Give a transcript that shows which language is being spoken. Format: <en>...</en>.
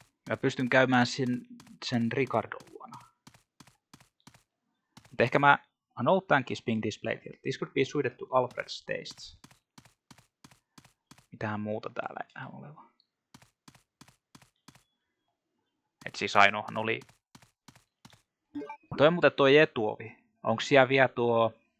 <fi>Mä pystyn käymään sen Ricardon luona. Mutta ehkä mä...</fi> <en>An old tank is being displayed here. This could be suited to Alfred's tastes.</en> <fi>Mitähän muuta täällä ei ole oleva. Et siis ainoahan oli... Toi on muuten toi etuovi. Onks siellä vielä tuo...</fi>